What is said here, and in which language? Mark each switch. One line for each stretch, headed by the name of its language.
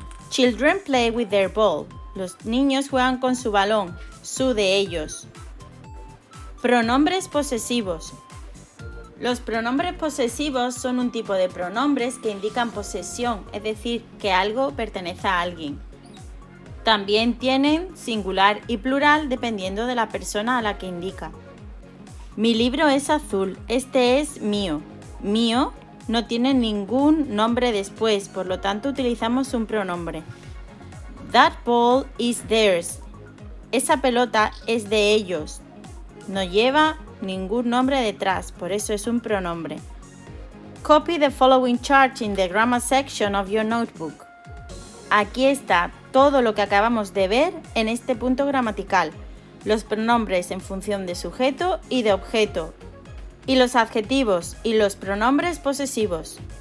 English: Children play with their ball.
Spanish: Los niños juegan con su balón, su de ellos. Pronombres posesivos. Los pronombres posesivos son un tipo de pronombres que indican posesión, es decir, que algo pertenece a alguien. También tienen singular y plural dependiendo de la persona a la que indica. Mi libro es azul, este es mío. Mío no tiene ningún nombre después, por lo tanto utilizamos un pronombre.
English: That ball is theirs.
Spanish: Esa pelota es de ellos. No lleva ningún nombre detrás, por eso es un pronombre.
English: Copy the following chart in the grammar section of your notebook.
Spanish: Aquí está todo lo que acabamos de ver en este punto gramatical. Los pronombres en función de sujeto y de objeto, y los adjetivos y los pronombres posesivos.